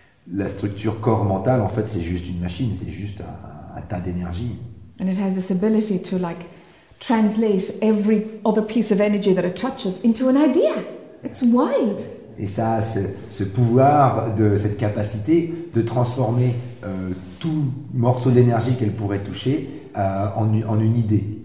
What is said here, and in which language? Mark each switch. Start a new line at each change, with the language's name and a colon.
French: La structure corps-mental, en fait, c'est juste une machine, c'est juste un tas d'énergie.
English: And it has this ability to, like, translate every other piece of energy that it touches into an idea. It's wild.
French: Et ça, ce pouvoir de cette capacité de transformer tout morceau d'énergie qu'elle pourrait toucher en une idée.